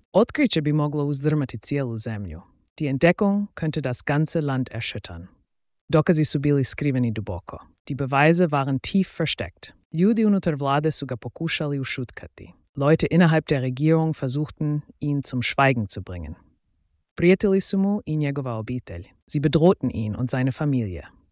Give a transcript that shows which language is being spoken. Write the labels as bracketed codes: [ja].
[hr] Otkriće bi moglo uzdrmati cijelu zemlju. [de] Die Entdeckung könnte das ganze Land erschüttern. [hr] Dokazi su bili skriveni duboko. [de] Die Beweise waren tief versteckt. [hr] Ljudi unutar vlade su ga pokušali ušutkati. [de] Leute innerhalb der Regierung versuchten, ihn zum Schweigen zu bringen. [hr] Prijetili su mu i njegova obitelj. [de] Sie bedrohten ihn und seine Familie.